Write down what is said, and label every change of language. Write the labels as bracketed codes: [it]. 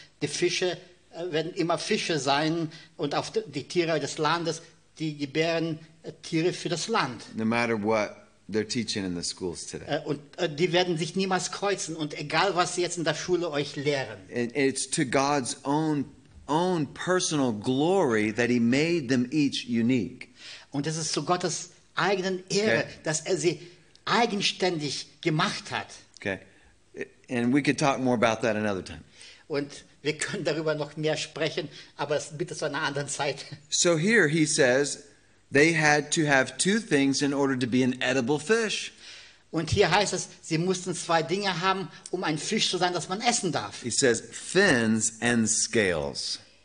[de] Die Fische werden immer Fische sein, und auf die Tiere des Landes, die gebären Tiere für das Land. [en] No matter what. They're teaching in the schools today. [de] Und die werden sich niemals kreuzen, und egal was sie jetzt in der Schule euch lehren. [en] And it's to God's own personal glory that he made them each unique. [de] Und es ist zu Gottes eigenen Ehre, okay. dass er sie eigenständig gemacht hat. [en] Okay. And we could talk more about that another time. [de] Und wir können darüber noch mehr sprechen, aber bitte zu einer anderen Zeit. [en] So here he says they had to have two things in order to be an edible fish. [de] Und hier heißt es, sie mussten zwei Dinge haben, um ein Fisch zu sein, das man essen darf. [en] He says fins and scales.